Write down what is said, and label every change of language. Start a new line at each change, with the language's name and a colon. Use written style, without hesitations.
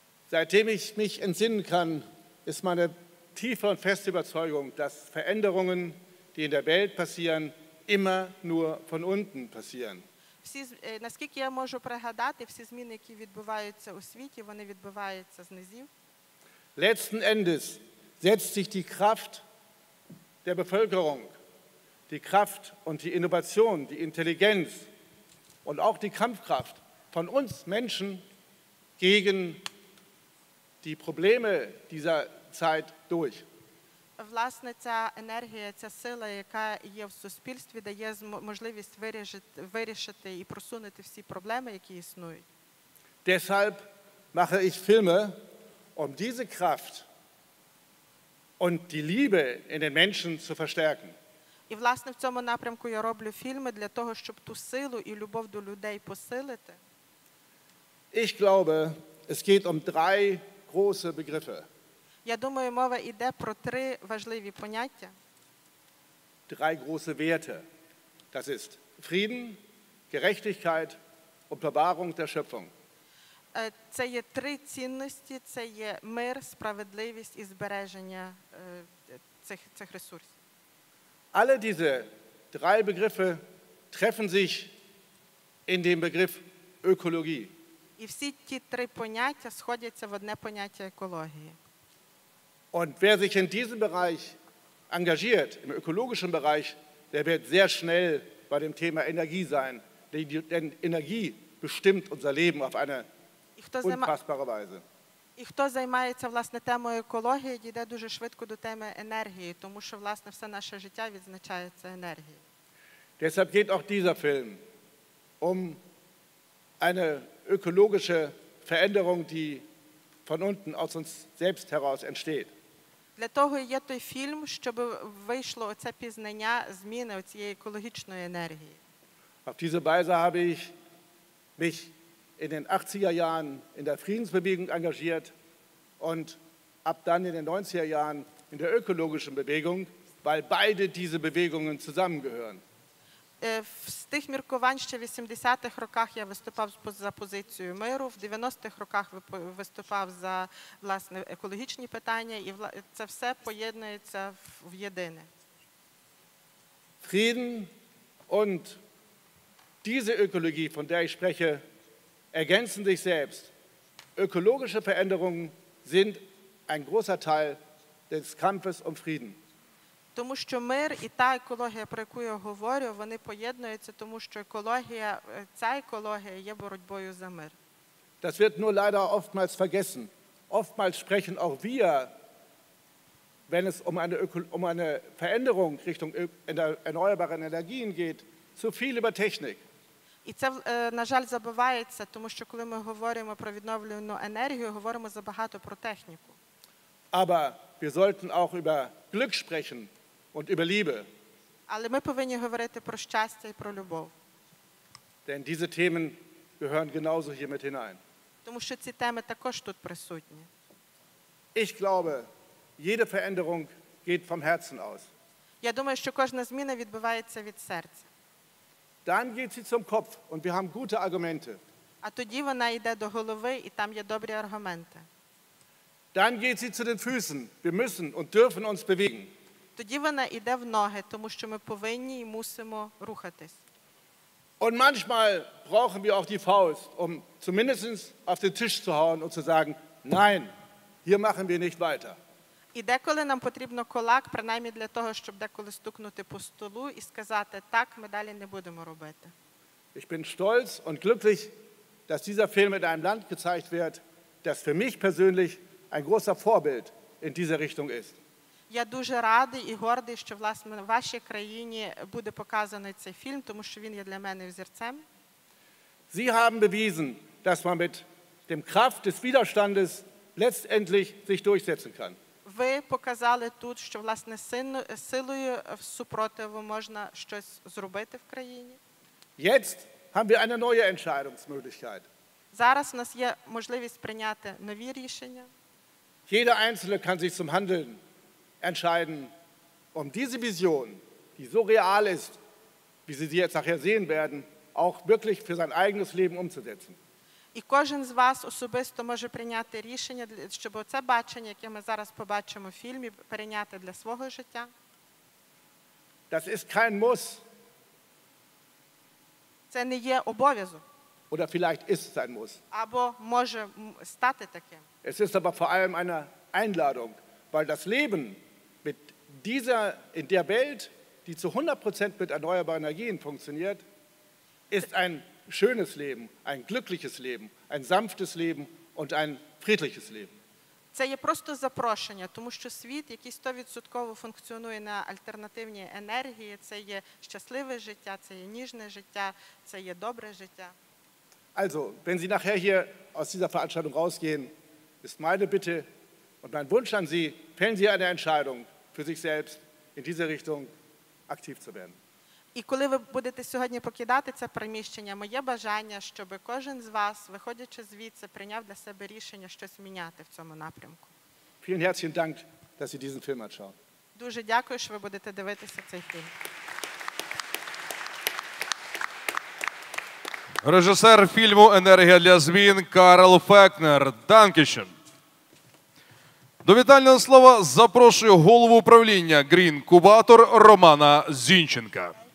German: seitdem ich mich entsinnen kann, ist meine tiefe und feste Überzeugung, dass Veränderungen, die in der Welt passieren, immer nur von unten passieren.
Ukrainian: всі, наскільки я можу пригадати, всі зміни, які відбуваються у світі, вони відбуваються з низів.
German: Letzten Endes setzt sich die Kraft der Bevölkerung, die Kraft und die Innovation, die Intelligenz und auch die Kampfkraft von uns Menschen gegen die Probleme dieser Zeit durch.
Ukrainian: Власне, ця енергія, ця сила, яка є в суспільстві, дає можливість вирішити і просунути всі проблеми, які існують.
German: Deshalb mache ich Filme, um diese Kraft und die Liebe in den Menschen zu verstärken.
Ukrainian: І, власне, в цьому напрямку я роблю фільми для того, щоб ту силу і любов до людей посилити.
German: Ich glaube, es geht um drei große Begriffe.
Ukrainian: Я думаю, мова йде про три важливі поняття.
German: Drei große Werte. Das ist Frieden, Gerechtigkeit und Bewahrung der Schöpfung.
Ukrainian: Це є три цінності, це є мир, справедливість і збереження цих ресурсів.
German: Alle diese drei Begriffe treffen sich in dem Begriff Ökologie.
Ukrainian: І всі ті три поняття сходяться в одне поняття екології.
German: Und wer sich in diesem Bereich engagiert, im ökologischen Bereich, der wird sehr schnell bei dem Thema Energie sein, denn Energie bestimmt unser Leben auf eine unfassbare Weise.
Ukrainian: І хто займається, власне, темою екології, дійде дуже швидко до теми енергії, тому що, власне, все наше життя відзначається енергією.
German: Deshalb geht auch dieser Film um eine ökologische Veränderung, die von unten aus uns selbst heraus entsteht.
Ukrainian: Для того є той фільм, щоб вийшло оце пізнання зміни цієї екологічної енергії.
German: Auf diese Weise habe ich mich in den 80er Jahren in der Friedensbewegung engagiert und ab dann in den 90er Jahren in der ökologischen Bewegung, weil beide diese Bewegungen zusammengehören.
Ukrainian: З тих міркувань ще в 80-х роках я виступав за позицію миру, в 90-х роках виступав за, власне, екологічні питання, і це все поєднується в єдине.
German: Frieden und diese Ökologie, von der ich spreche, ergänzen sich selbst. Ökologische Veränderungen sind ein großer Teil des Kampfes um Frieden.
Ukrainian: Тому що мир і та екологія, про яку я говорю, вони поєднуються, тому що екологія, ця екологія є боротьбою за мир.
German: Das wird nur leider oftmals vergessen. Oftmals sprechen auch wir, wenn es um eine Veränderung Richtung erneuerbaren Energien geht, zu viel über Technik.
Ukrainian: І це, на жаль, забувається, тому що коли ми говоримо про відновлювану енергію, говоримо забагато про техніку.
German: Aber wir sollten auch über Glück sprechen. Und über Liebe.
Ukrainian: Але ми повинні говорити про щастя і про любов.
German: Denn diese Themen gehören genauso hier mit hinein.
Ukrainian: Тому що ці теми також тут присутні.
German: Ich glaube, jede Veränderung geht vom Herzen aus.
Ukrainian: Я думаю, що кожна зміна відбувається від серця.
German: Dann geht sie zum Kopf und wir haben gute Argumente.
Ukrainian: А тоді вона йде до голови і там є добрі аргументи.
German: Dann geht sie zu den Füßen. Wir müssen und dürfen uns bewegen.
Ukrainian: Тоді вона йде в ноги, тому що ми повинні і мусимо рухатись.
German: Und manchmal brauchen wir auch die Faust, um zumindest auf den Tisch zu hauen und zu sagen, nein, hier machen wir nicht weiter.
Ukrainian: І деколи нам потрібно кулак, принаймні для того, щоб деколи стукнути по столу і сказати, так, ми далі не будемо робити.
German: Ich bin stolz und glücklich, dass dieser Film in einem Land gezeigt wird, das für mich persönlich ein großer Vorbild in dieser Richtung ist.
Ukrainian: Я дуже радий і гордий, що, власне, в вашій країні буде показаний цей фільм, тому що він є для мене взірцем.
German: Sie haben bewiesen, dass man mit dem Kraft des Widerstandes letztendlich sich durchsetzen kann.
Ukrainian: Ви показали тут, що, власне, силою супротиву можна щось зробити в країні.
German: Jetzt haben wir eine neue Entscheidungsmöglichkeit.
Ukrainian: Зараз у нас є можливість прийняти нові рішення.
German: Jeder Einzelne kann sich zum Handeln entscheiden, um diese Vision, die so real ist, wie Sie sie jetzt nachher sehen werden, auch wirklich für sein eigenes Leben umzusetzen.
Ukrainian: І кожен з вас особисто може прийняти рішення, щоб це бачення, яке ми зараз побачимо в фільмі, прийняти для свого життя.
German: Das ist kein Muss.
Ukrainian: Це не є обов'язок.
German: Oder vielleicht ist es ein Muss.
Ukrainian: Або може стати таким.
German: Es ist aber vor allem eine Einladung, weil das Leben mit dieser, in der Welt, die zu 100% mit erneuerbaren Energien funktioniert, ist ein schönes Leben, ein glückliches Leben, ein sanftes Leben und ein friedliches Leben.
Ukrainian: Це є просто запрошення, тому що світ, який 100% функціонує на альтернативній енергії, це є щасливе життя, це є ніжне життя, це є добре життя.
German: Also, wenn Sie nachher hier aus dieser Veranstaltung rausgehen, ist meine Bitte und mein Wunsch an Sie, fällen Sie eine Entscheidung für sich selbst, in diese Richtung aktiv zu werden.
Ukrainian: І коли ви будете сьогодні покидати це приміщення, моє бажання, щоб кожен з вас, виходячи звідси, прийняв для себе рішення щось міняти в цьому напрямку.
German: Vielen herzlichen Dank, dass Sie diesen Film anschauen.
Ukrainian: Дуже дякую, що ви будете дивитися цей фільм. Режисер фільму «Енергія для змін» Карл-А.Фехнер.
German: Данкешен.
Ukrainian: До вітального слова запрошую голову управління «Грін Кубатор» Романа Зінченка.